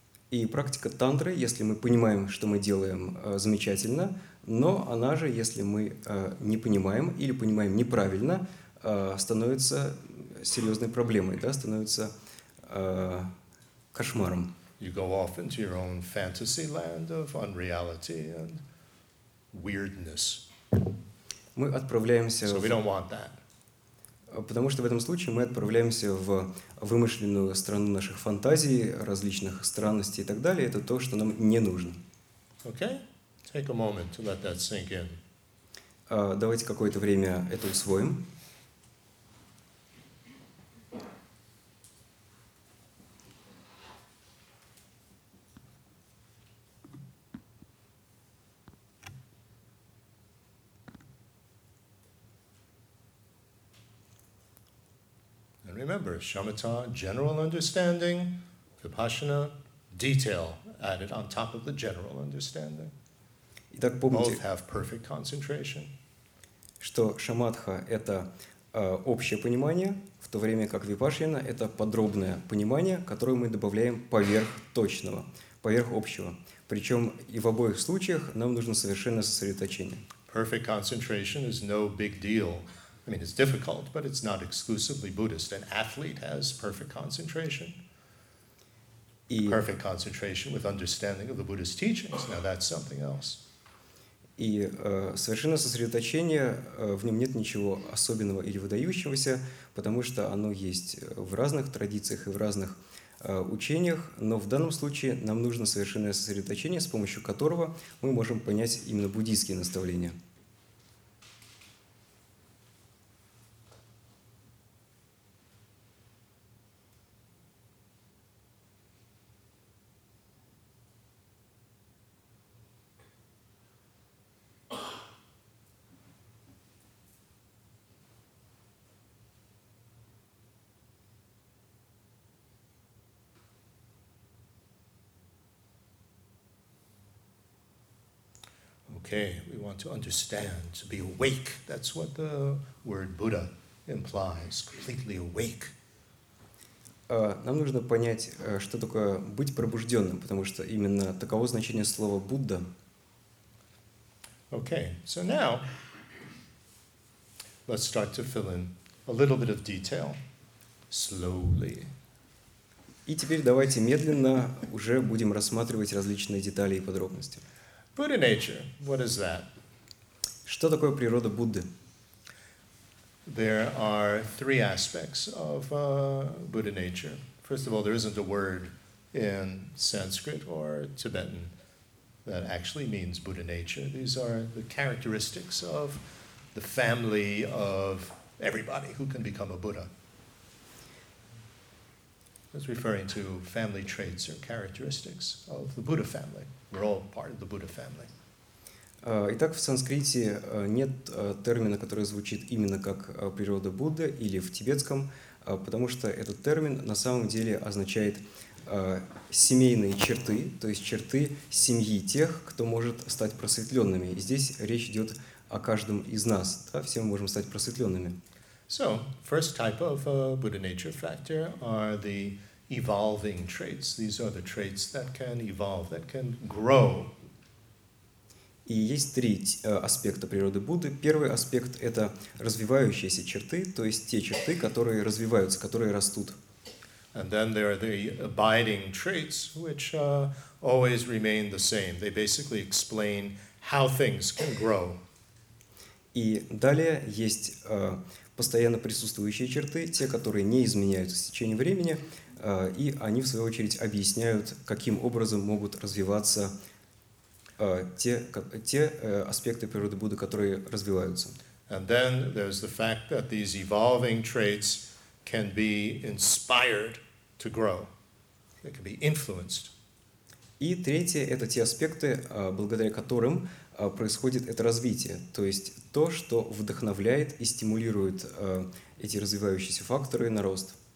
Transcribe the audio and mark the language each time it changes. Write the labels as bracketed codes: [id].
[ru] И практика тантры, если мы понимаем, что мы делаем замечательно, но она же, если мы не понимаем или понимаем неправильно, становится серьезной проблемой, да, становится кошмаром. [en] You go off into your own fantasy land of unreality and weirdness. [ru] Мы отправляемся. [en] So we don't want that. [ru] Потому что в этом случае мы отправляемся в вымышленную страну наших фантазий, различных странностей и так далее. Это то, что нам не нужно. [en] Okay. Take a moment to let that sink in. [ru] Давайте какое-то время это усвоим. [en] Remember, shamatha, general understanding, vipassana, detail added on top of the general understanding. [ru] Итак, помните, [en] both have perfect concentration. [ru] Что шамадха – это общее понимание, в то время как випашьяна – это подробное понимание, которое мы добавляем поверх точного, поверх общего. Причем и в обоих случаях нам нужно совершенно сосредоточение. [en] Perfect concentration is no big deal. I mean, it's difficult, but it's not exclusively Buddhist. An athlete has perfect concentration. Perfect concentration with understanding of the Buddhist teachings. Now that's something else. [ru] И совершенно сосредоточение, в нем нет ничего особенного или выдающегося, потому что оно есть в разных традициях и в разных учениях, но в данном случае нам нужно совершенное сосредоточение, с помощью которого мы можем понять именно буддийские наставления. [en] Okay, we want to understand, to be awake. That's what the word Buddha implies, completely awake. [ru] Нам нужно понять, что такое быть пробужденным, потому что именно таково значение слова Будда. [en] Okay, so now let's start to fill in a little bit of detail slowly. [ru] И теперь давайте медленно уже будем рассматривать различные детали и подробности. [en] Buddha nature, what is that? [ru] Что такое природа Будды? [en] There are three aspects of Buddha nature. First of all, there isn't a word in Sanskrit or Tibetan that actually means Buddha nature. These are the characteristics of the family of everybody who can become a Buddha. That's referring to family traits or characteristics of the Buddha family. We're all part of the Buddha family. [ru] Итак, в санскрите нет термина, который звучит именно как природа Будды или в тибетском, потому что этот термин на самом деле означает семейные черты, то есть черты семьи тех, кто может стать просветленными. И здесь речь идет о каждом из нас, да? Все мы можем стать просветленными. [en] So, first type of Buddha nature factor are the evolving traits. These are the traits that can evolve, that can grow. [ru] И есть три аспекта природы Будды. Первый аспект — это развивающиеся черты, то есть те черты, которые развиваются, которые растут. [en] And then there are the abiding traits, which always remain the same. They basically explain how things can grow. [ru] И далее есть постоянно присутствующие черты, те, которые не изменяются с течением времени, и они, в свою очередь, объясняют, каким образом могут развиваться те аспекты природы Будды, которые развиваются. [en] And then there's the fact that these evolving traits can be inspired to grow. They can be influenced. [ru] И третье — это те аспекты, благодаря которым происходит это развитие, то есть то, что вдохновляет и стимулирует эти развивающиеся факторы на рост.